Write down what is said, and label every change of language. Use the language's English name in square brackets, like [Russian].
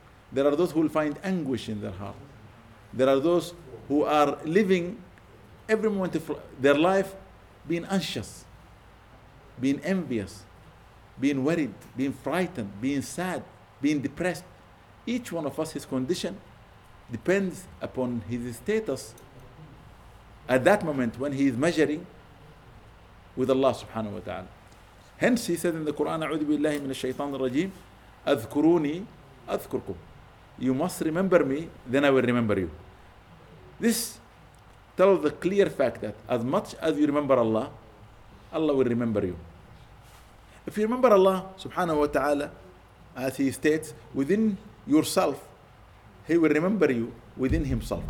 [English] There are those who will find anguish in their heart. There are those who are living every moment of their life being anxious, being envious, being worried, being frightened, being sad, being depressed. Each one of us, his condition depends upon his status at that moment when he is measuring with Allah subhanahu wa ta'ala. Hence he said in the Quran, [Arabic] أعوذ بالله من الشيطان الرجيم أذكروني أذكركم. [English] You must remember me, then I will remember you. This tells the clear fact that as much as you remember Allah, Allah will remember you. If you remember Allah subhanahu wa ta'ala, as he states, within yourself, he will remember you within himself.